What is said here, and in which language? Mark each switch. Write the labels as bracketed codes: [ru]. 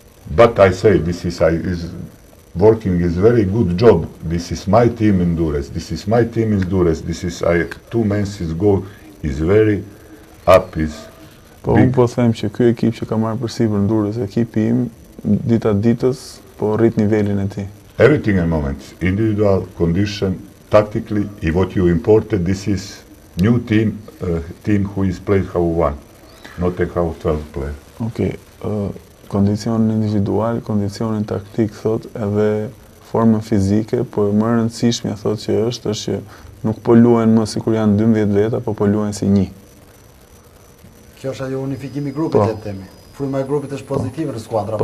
[en] But I say this is working is very good job. This is my team in Durres. This is my team in Durres. This is I two months ago is very up is. [sq] Po big. Unë po them që ky ekip që ka marrë përsipër në Durres, ekipi im ditë ditës po rrit nivelin e tij. [en] Everything in moment, individual condition, tactically, and what you imported this is new team, team who is played how one, not a how 12 player. [sq] Okay, kondicionin individual, kondicionin taktik, thot, edhe formën fizike, po e më rëndësishmja, thot, që është që nuk po luajnë më si kur janë 12 veta, po luajnë si një. Kjo është ajo unifikimi grupit, të temi. Fruma e grupit është pozitive në skuadra.